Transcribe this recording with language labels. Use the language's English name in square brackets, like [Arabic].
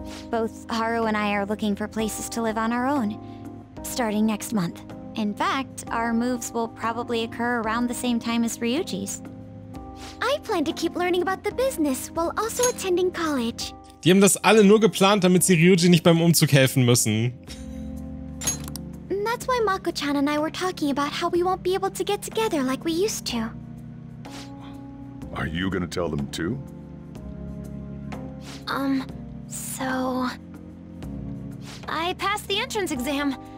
[English] Both Haru and I are looking for places to live on our own, starting next month. In fact, our moves will probably occur around the same time as Ryuji's. I plan to keep learning about the business while also attending college. [German] Die haben das alle nur geplant, damit sie Ryuji nicht beim Umzug helfen müssen. [English] That's why Mako-chan and I were talking about how we won't be able to get together like we used to. Are you gonna tell them too? So... I passed the entrance exam.